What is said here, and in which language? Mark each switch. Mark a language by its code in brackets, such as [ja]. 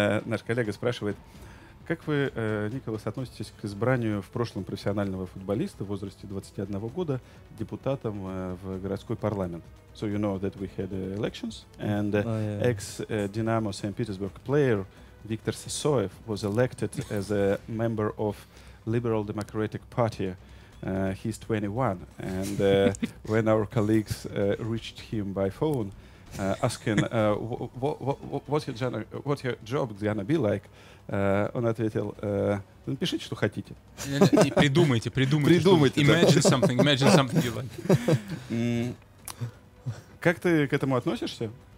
[ru] Наш коллега спрашивает... Как вы, Николас, относитесь к избранию в прошлом профессионального футболиста в возрасте 21 года депутатом в городской парламент? [en] So you know that we had elections and ex-Dynamo St. Petersburg player Виктор Сысоев was elected as a member of Liberal Democratic Party. He's 21 and when our colleagues reached him by phone asking what's your job gonna be like? [ru] Он ответил, напишите, что хотите. Придумайте. [en] Imagine something you like. [ru] Как ты к этому относишься?